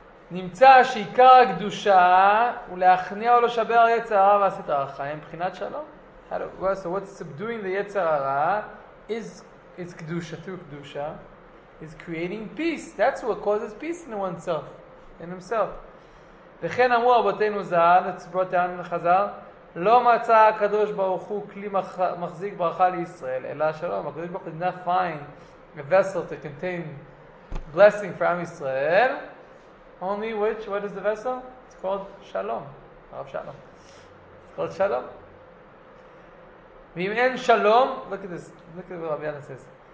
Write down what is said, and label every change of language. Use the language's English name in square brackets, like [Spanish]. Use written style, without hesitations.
[Hebrew] נמצא שעיקר הקדושה הוא להכניע או לשבר יצר הרע ועשית הרחה עם בחינת שלום. [English] So what's subduing the יצר הרע is קדושה, through קדושה, is creating peace. That's what causes peace in oneself, in himself. [Hebrew] וכן אמרו רבותינו זל, [English] it's brought down in [Hebrew] חזר, לא מצא הקדוש ברוך הוא כלי מחזיק ברכה לישראל, אלא שלום. [English] הקדוש ברוך הוא did not find a vessel to contain blessing for Am Yisrael. Only which, what is the vessel? It's called Shalom. Rav Shalom. It's called Shalom. [Hebrew] Ve'im en Shalom, [English] look at this, look at what Rav Yana says.